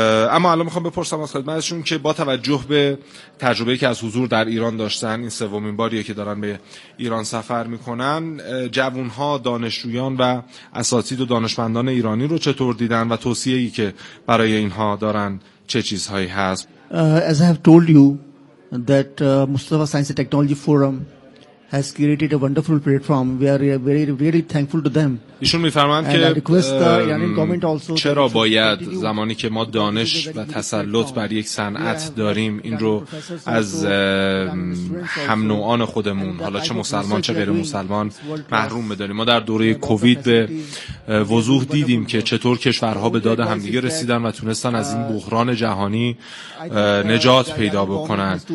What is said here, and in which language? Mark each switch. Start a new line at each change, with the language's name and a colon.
Persian: اما الان میخوام بپرسم از خدمتشون که با توجه به تجربه‌ای که از حضور در ایران داشتن، این سومین باریه که دارن به ایران سفر میکنن، جوانها، دانشجویان و اساتید و دانشمندان ایرانی رو چطور دیدن و توصیه‌ای که برای اینها دارن چه چیزهایی هست؟
English: As I have told you that Mustafa Science and Technology Forum has created a wonderful platform. We are very, very thankful to them.
Persian: ایشون میفرمایند که چرا باید زمانی که ما دانش و تسلط بر یک صنعت داریم این رو از هم نوعان خودمون حالا چه مسلمان چه غیر مسلمان محروم بداریم. ما در دوره کووید به وضوح دیدیم که چطور کشورها به داد همدیگه رسیدن و تونستن از این بحران جهانی نجات پیدا بکنن.